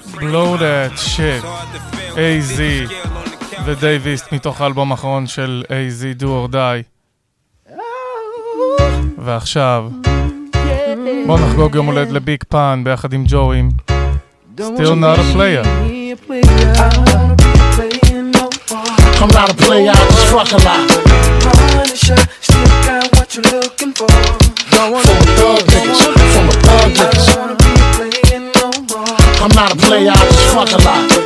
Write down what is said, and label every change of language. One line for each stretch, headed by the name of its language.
Hebrew: Blow That Shit, AZ ודייב איסט מתוך האלבום האחרון של AZ Do or Die. ועכשיו בוא נחגוג יום הולד לביג פאן ביחד עם ג'ויים.
English: Still not a player. I'm not a player, I just fuck a lot. I'm not a player, I just fuck a lot.